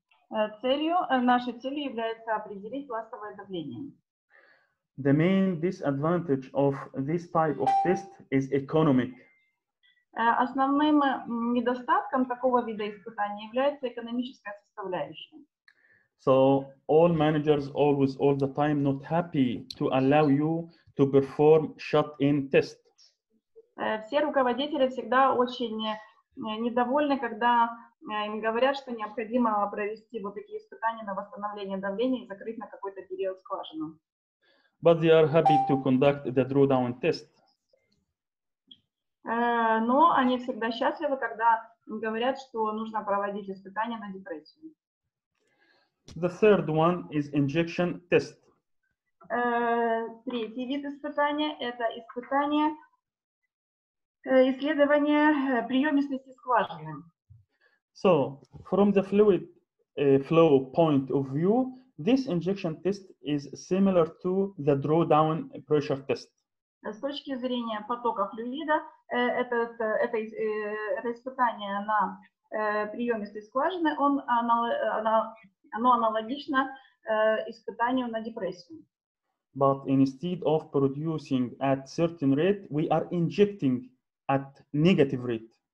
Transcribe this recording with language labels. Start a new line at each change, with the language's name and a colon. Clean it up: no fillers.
Russian: Нашей целью является определить пластовое давление.
English: The main disadvantage of this type of test is economic.
Russian: Основным недостатком такого вида испытания является экономическая составляющая.
English: So all managers always all the time not happy to allow you to perform shut-in test.
Russian: Все руководители всегда очень недовольны, когда им говорят, что необходимо провести вот такие испытания на восстановление давления и закрыть на какой-то период скважину.
English: But they are happy to conduct the drawdown test.
Russian: Но они всегда счастливы, когда говорят, что нужно проводить испытания на депрессию.
English: The third one is injection test.
Russian: Третий вид испытания – это испытание... исследование приемистости скважины.
English: So, from the fluid flow point of view, this injection test is similar to the drawdown pressure test.
Russian: С точки зрения потока флюида, это испытание на приемистой скважины, оно аналогично испытанию на депрессию.
English: But instead of producing at certain rate, we are injecting at negative rate.